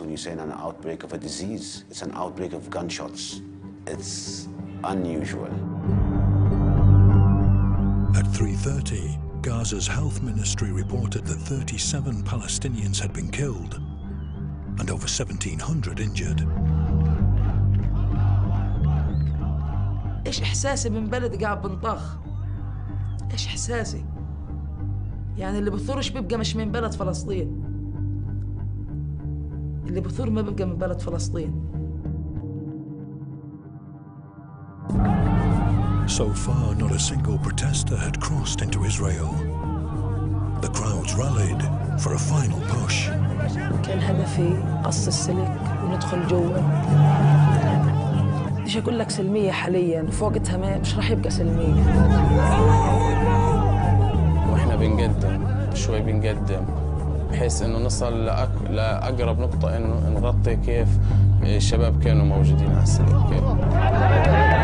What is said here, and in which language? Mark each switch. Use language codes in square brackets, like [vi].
[en] When you say an outbreak of a disease, it's an outbreak of gunshots. It's unusual. At 3:30, Gaza's health ministry reported that 37 Palestinians had been killed and over 1,700 injured. [ar] إيش إحساسي من بلد قاعد بنطخ؟ إيش إحساسي؟ يعني اللي بثورش بيبقى مش من بلد فلسطين. اللي بثور ما بيبقى من بلد فلسطين. [en] So far, not a single protester had crossed into Israel. The crowds rallied for a final push. [ar] كان هدفي قص السلك وندخل جوا. ليش أقول لك سلمية حالياً؟ فوقتها ما مش راح يبقى سلمية. وإحنا بنقدم شوي بنقدم بحيث إنه نصل لأقرب نقطة إنه نغطي كيف الشباب كانوا موجودين على السلك.